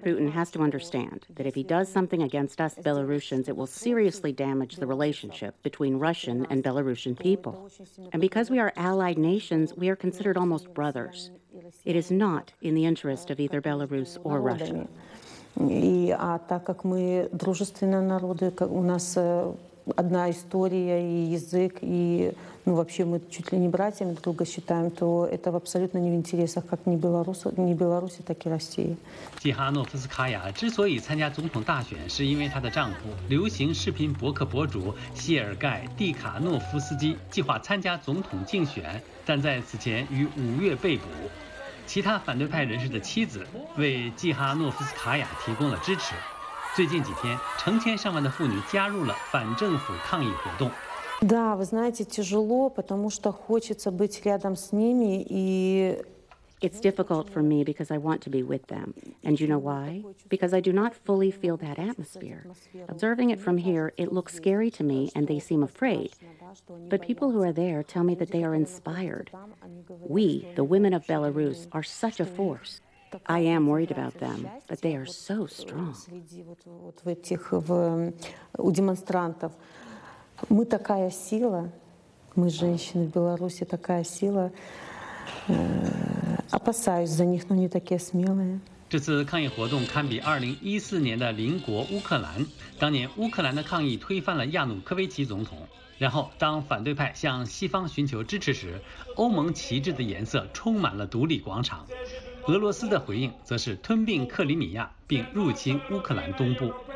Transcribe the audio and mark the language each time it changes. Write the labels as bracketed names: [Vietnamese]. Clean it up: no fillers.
[English] Putin has to understand that if he does something against us Belarusians, it will seriously damage the relationship between Russian and Belarusian people. And because we are allied nations, we are considered almost brothers. It is not in the interest of either Belarus or Russia. [Russian] Одна история и язык и ну вообще мы чуть ли не братьями друг друга считаем, то это абсолютно не в интересах как ни Беларуси, ни Беларуси, так и России. [Chinese] 季哈诺夫斯卡娅之所以参加总统大选，是因为她的丈夫流行视频博客博主谢尔盖蒂卡诺夫斯基计划参加总统竞选，但在此前于五月被捕。其他反对派人士的妻子为季哈诺夫斯卡娅提供了支持。最近几天，成千上万的妇女加入了反政府抗议活动。 [Russian] Да, вы знаете, тяжело, потому что хочется быть рядом с ними и [English] It's difficult for me because I want to be with them. And you know why? Because I do not fully feel that atmosphere. Observing it from here, it looks scary to me and they seem afraid. But people who are there tell me that they are inspired. We, the women of Belarus, are such a force. I am worried about them, but they are so strong. [Russian] В этих у демонстрантов мы такая сила, мы женщины в Беларуси такая сила. Опасаюсь за них, но не такие смелые. [Chinese] 这次抗议活动堪比2014年的邻国乌克兰。当年乌克兰的抗议推翻了亚努科维奇总统。然后，当反对派向西方寻求支持时，欧盟旗帜的颜色充满了独立广场。俄罗斯的回应则是吞并克里米亚并入侵乌克兰东部。